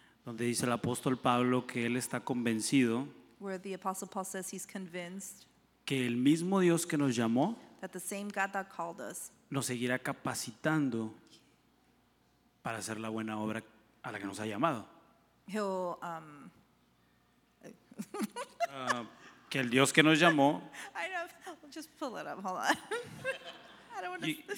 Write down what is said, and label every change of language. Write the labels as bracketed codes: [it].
[es] Donde dice el apóstol Pablo que él está convencido, [en] where the apostle Paul says he's convinced, [es] que el mismo Dios que nos llamó, [en] that the same God that called us, [es] nos seguirá capacitando para hacer la buena obra a la que nos ha llamado. [en] He'll, [es] que el Dios que nos llamó, [en] I know, just pull it up, hold on. I don't want to.